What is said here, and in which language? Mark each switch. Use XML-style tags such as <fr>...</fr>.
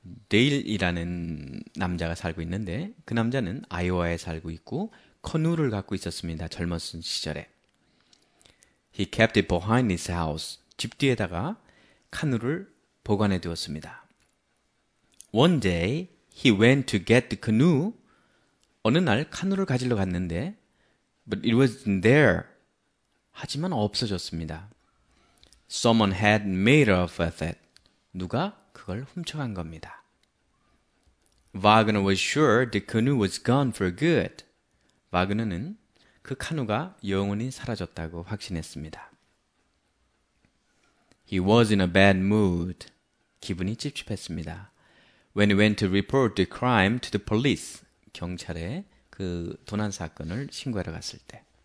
<ko>데일이라는 남자가 살고 있는데 그 남자는 아이오와에 살고 있고 커누를 갖고 있었습니다. 젊었은 시절에.</ko> <en>He kept it behind his house.</en> <ko>집 뒤에다가 카누를 보관해 두었습니다.</ko> <en>One day he went to get the canoe.</en> <ko>어느 날 카누를 가지러 갔는데,</ko> <en>but it wasn't there.</en> <ko>하지만 없어졌습니다.</ko> <en>Someone had made off with it.</en> <ko>누가 그걸 훔쳐간 겁니다.</ko> <en>Wagner was sure the canoe was gone for good.</en> <ko>와그너는 그 카누가 영원히 사라졌다고 확신했습니다.</ko> <en>He was in a bad mood.</en> <ko>기분이 찝찝했습니다.</ko> <en>When he went to report the crime to the police,</en> <ko>경찰에 그 도난 사건을 신고하러 갔을 때.</ko>